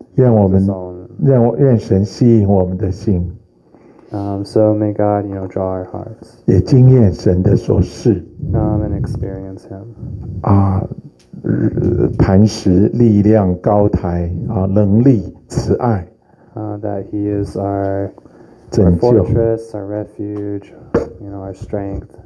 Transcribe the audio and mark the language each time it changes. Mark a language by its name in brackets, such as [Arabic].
[Chinese] 愿我们愿神吸引我们的心。 [English] So may God, you know, draw our hearts. [Chinese] 也经验神的所事。 [English] And experience Him. [Chinese] 磐石、力量、高台能力、慈爱。 [English] That He is our fortress, our refuge, you know, our strength.